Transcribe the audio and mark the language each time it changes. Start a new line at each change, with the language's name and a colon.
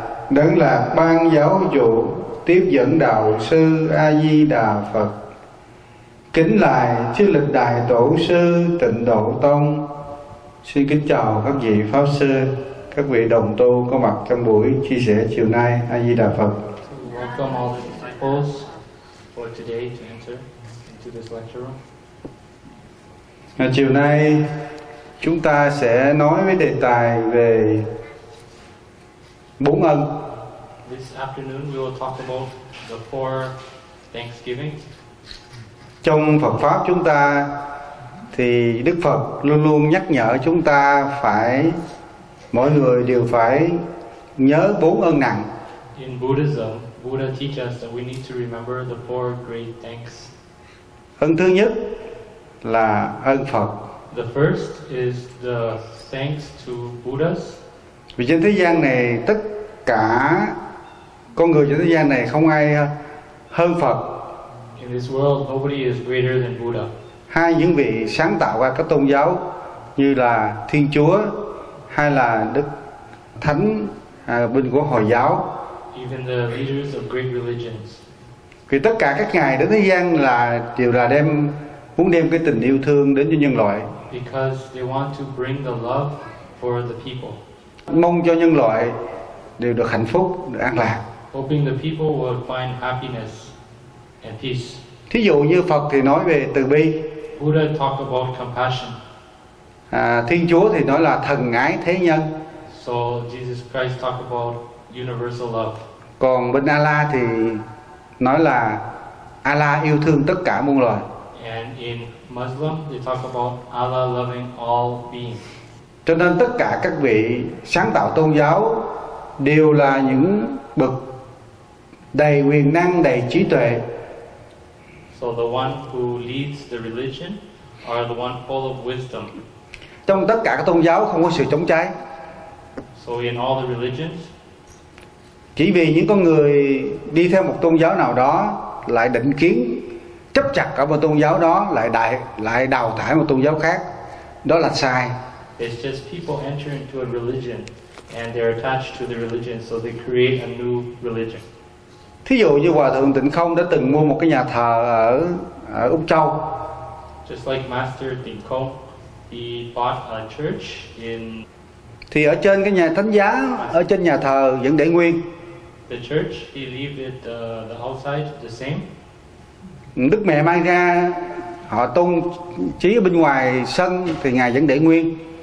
Vietnamese: Đấng Lạc Ban Giáo Chủ tiếp dẫn đạo sư A Di Đà Phật. Kính lạy chư lịch đại tổ sư Tịnh Độ Tông. Xin kính chào các vị pháp sư, các vị đồng tu có mặt trong buổi chia sẻ chiều nay. A Di Đà Phật.
English: Welcome all the disciples for today to enter into this lecture room.
Vietnamese: Chiều nay chúng ta sẽ nói với đề tài về bốn ân.
English: This afternoon we will talk about the four thanksgivings.
Vietnamese: Trong Phật pháp chúng ta thì Đức Phật luôn luôn nhắc nhở chúng ta phải mỗi người đều phải nhớ bốn ân nặng.
English: In Buddhism, Buddha teaches us that we need to remember the four great thanks.
Vietnamese: Ân thứ nhất là ân Phật.
English: The first is the thanks to Buddhas.
Vietnamese: Vì trên thế gian này tất cả con người trên thế gian này không ai hơn Phật.
English: In this world, nobody is greater than Buddha.
Vietnamese: Hai những vị sáng tạo ra các tôn giáo như là Thiên Chúa hay là Đức Thánh bên của Hồi giáo.
English: Even the leaders of great religions.
Vietnamese: Vì tất cả các ngài đến thế gian là đều là đem muốn đem cái tình yêu thương đến cho nhân loại.
English: Because they want to bring the love for the people.
Vietnamese: Mong cho nhân loại đều được hạnh phúc, được an lạc.
English: Hoping the people will find happiness and peace.
Vietnamese: Thí dụ như Phật thì nói về từ bi.
English: Buddha talk about compassion.
Vietnamese: Thiên Chúa thì nói là thần ái thế nhân.
English: So Jesus Christ talk about universal love.
Vietnamese: Còn bên Allah thì nói là Allah yêu thương tất cả muôn loài.
English: And in Muslim they talk about Allah loving all beings.
Vietnamese: Cho nên tất cả các vị sáng tạo tôn giáo đều là những bậc đầy quyền năng, đầy trí tuệ.
English: So the one who leads the religion are the one full of wisdom.
Vietnamese: Trong tất cả các tôn giáo không có sự chống trái.
English: So in all the religions,
Vietnamese: chỉ vì những con người đi theo một tôn giáo nào đó lại định kiến chấp chặt ở một tôn giáo đó, lại đào thải một tôn giáo khác, đó là sai.
English: It's just people enter into a religion and they're attached to the religion, so they create a new religion.
Vietnamese: Thí dụ như Hòa Thượng Tịnh Không đã từng mua một cái nhà thờ ở Úc Châu.
English: Just like Master Tịnh Không, he bought a church in.
Vietnamese: Thì ở trên cái nhà thánh giá, ở trên nhà thờ vẫn để nguyên.
English: The church, he leave it the outside the same.
Vietnamese: Đức Mẹ mang ra họ tôn trí ở bên ngoài sân thì ngài vẫn để nguyên.